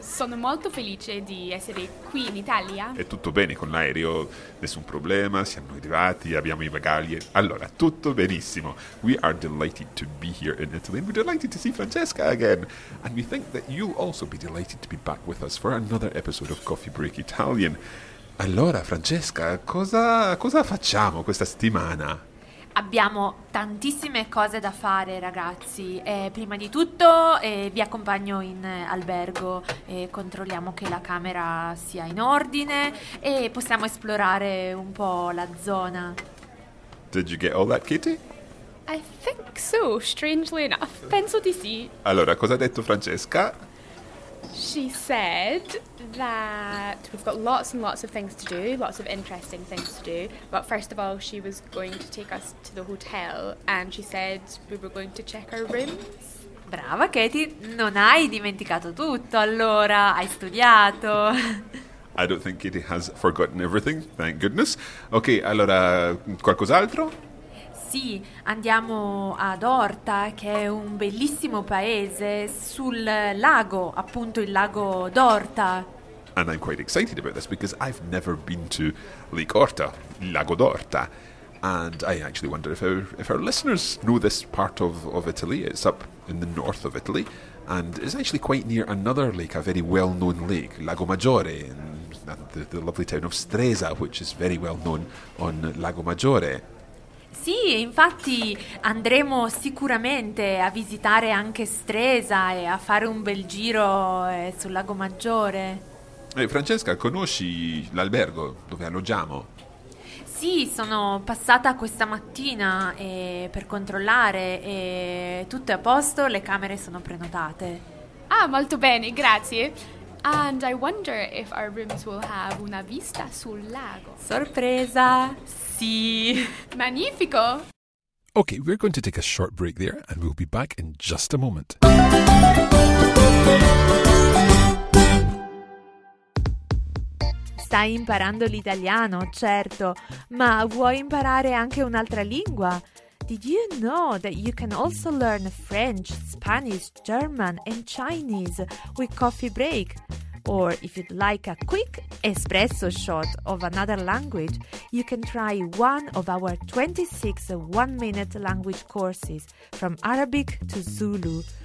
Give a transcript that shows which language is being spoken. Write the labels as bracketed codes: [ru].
[it] Sono molto felice di essere qui in Italia. È tutto bene con l'aereo, nessun problema, siamo arrivati, abbiamo i bagagli. Allora, tutto benissimo. [en] We are delighted to be here in Italy and we're delighted to see Francesca again. And we think that you'll also be delighted to be back with us for another episode of Coffee Break Italian. [it] Allora, Francesca, cosa facciamo questa settimana? Abbiamo tantissime cose da fare, ragazzi. Prima di tutto vi accompagno in albergo e controlliamo che la camera sia in ordine e possiamo esplorare un po' la zona. [en] Did you get all that, Kitty? I think so, strangely enough. [it] Penso di sì. Allora, cosa ha detto Francesca? [en] She said that we've got lots and lots of things to do, lots of interesting things to do. But first of all, she was going to take us to the hotel and she said we were going to check our rooms. [it] Brava, Katie. Non hai dimenticato tutto, allora. Hai studiato. [en] I don't think Katie has forgotten everything, thank goodness. [it] Okay, allora, qualcos'altro? Sì, andiamo ad Orta, che è un bellissimo paese, sul lago, appunto il lago d'Orta. [en] And I'm quite excited about this because I've never been to Lake Orta, il lago d'Orta. And I actually wonder if our listeners know this part of Italy. It's up in the north of Italy and it's actually quite near another lake, a very well-known lake, Lago Maggiore, in the lovely town of Stresa, which is very well-known on Lago Maggiore. [it] Sì, infatti andremo sicuramente a visitare anche Stresa e a fare un bel giro sul Lago Maggiore. Francesca, conosci l'albergo dove alloggiamo? Sì, sono passata questa mattina per controllare e tutto è a posto, le camere sono prenotate. Ah, molto bene, grazie. [en] And I wonder if our rooms will have [it] una vista sul lago. Sorpresa! Sì! Magnifico! [en] Okay, we're going to take a short break there and we'll be back in just a moment. [it] Stai imparando l'italiano, certo, ma vuoi imparare anche un'altra lingua? [en] Did you know that you can also learn French, Spanish, German and Chinese with Coffee Break? Or if you'd like a quick espresso shot of another language, you can try one of our 26 one-minute language courses from Arabic to Zulu.